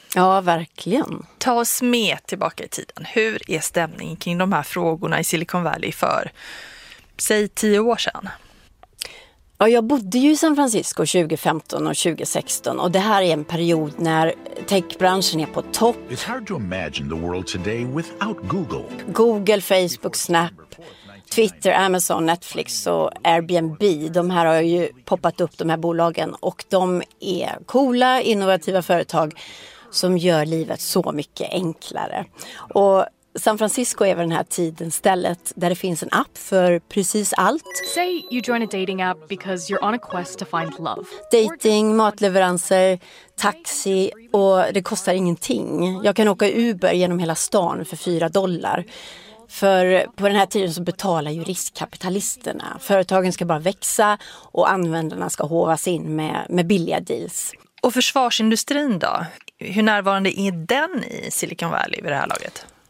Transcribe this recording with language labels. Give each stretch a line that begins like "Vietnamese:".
Swedish: Ja, verkligen. Ta oss med tillbaka i tiden. Hur är stämningen kring de här frågorna i Silicon Valley för, säg, 10 år sedan? Ja, jag bodde ju i San Francisco 2015 och 2016, och det här är en period när techbranschen är på topp.
English: It's hard to imagine the world today without Google.
Swedish: Google, Facebook, Snap, Twitter, Amazon, Netflix och Airbnb, de här har ju poppat upp, de här bolagen, och de är coola, innovativa företag som gör livet så mycket enklare. Och San Francisco är väl den här tiden stället där det finns en app för precis allt.
English: Say you join a dating app because you're on a quest to find love.
Swedish: Dating, matleveranser, taxi, och det kostar ingenting. Jag kan åka Uber genom hela stan för $4. För på den här tiden så betalar ju riskkapitalisterna. Företagen ska bara växa och användarna ska hovas in med billiga deals. Och försvarsindustrin då? hur närvarande är den i Silicon Valley vid det här laget?